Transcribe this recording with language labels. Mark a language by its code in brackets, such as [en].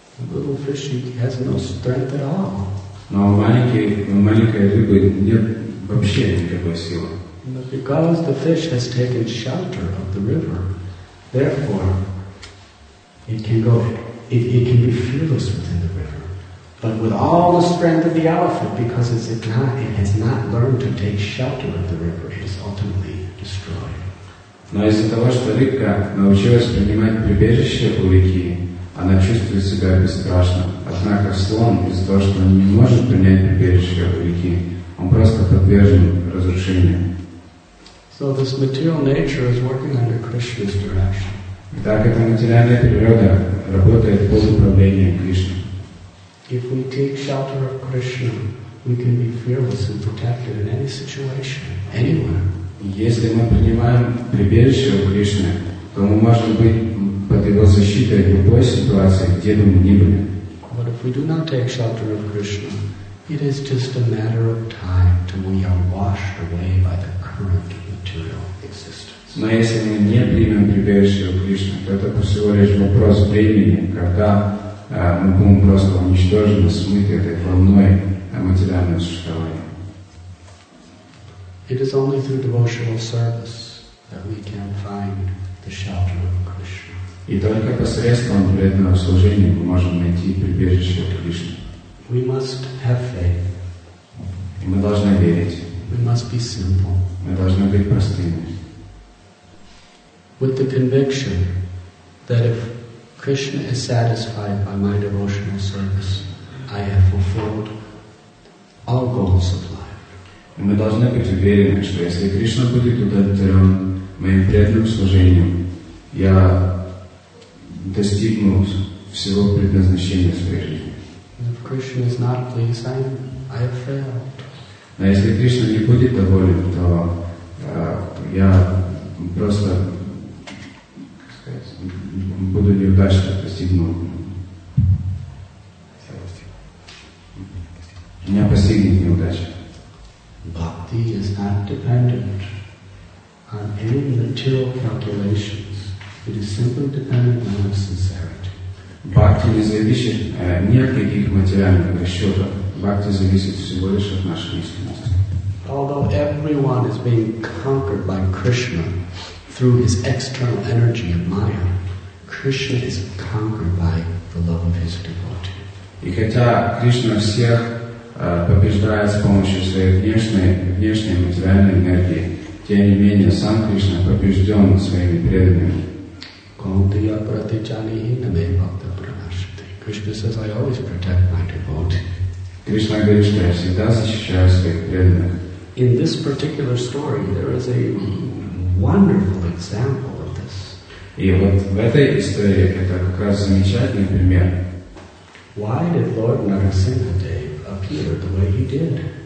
[en] The little fishy has no strength at all. [ru] Но маленькой рыбы нет вообще никакой силы. [en] But because the fish has taken shelter of the river, therefore it can go, it can be fearless within the river. But with all the strength of the elephant, because it has not learned to take shelter of the river, it is ultimately destroyed. [ru] Но из-за того, что рыбка научилась принимать прибежище у реки, она чувствует себя бесстрашно. Однако слон, из-за того, что он не может принять прибежище у реки, он просто подвержен разрушению. [en] So this material nature is working under Krishna's direction. [ru] Итак, эта материальная природа работает под управлением Кришны. [en] If we take shelter of Krishna, we can be fearless and protected in any situation, anywhere. [ru] Если мы принимаем прибежище у Кришны, то мы можем быть под его защитой в любой ситуации, где бы мы ни были. [en] But if we do not take shelter of Krishna, it is just a matter of time till we are washed away by the current material existence. [ru] Но если мы не примем прибежище у Кришны, то это всего лишь вопрос времени, когда мы будем просто уничтожены, смыты этой волной материального существования. [en] It is only through devotional service that we can find the shelter of Krishna. [ru] И только посредством преданного служения мы можем найти прибежище от Кришны. [en] We must have faith. [ru] И мы должны верить. [en] We must be simple. [ru] Мы должны быть простыми. [en] With the conviction that if Krishna is satisfied by my devotional service, I have fulfilled all goals of life. [ru] И мы должны быть уверены, что если Кришна будет удовлетворен моим преданным служением, я достигну всего предназначения своей жизни. [en] If Krishna is not pleased, I have failed. [ru] Но если Кришна не будет доволен, то я просто, как сказать, буду неудачно достигну. Меня постигнет неудача. [en] Bhakti is not dependent on any material calculations. It is simply dependent on sincerity. [ru] Bhakti не зависит ни от каких материальных расчетов. Bhakti зависит всего лишь от нашей искренности. [en] Although everyone is being conquered by Krishna through his external energy of Maya, Krishna is conquered by the love of his devotee. [ru] И хотя Кришна всех побеждает с помощью своей внешней материальной энергии. Тем не менее, сам Кришна побежден своими преданными. [sa] Kauntiya pratichanihina me bhakta pranashati. [en] Krishna says, I always protect my devotee. [ru] Кришна говорит, что я всегда защищаю своих преданных. [en] in this particular story, there is a wonderful example of this. [ru] И вот в этой истории это как раз замечательный пример. [en] Why did Lord Narasimhadev appear the way he did?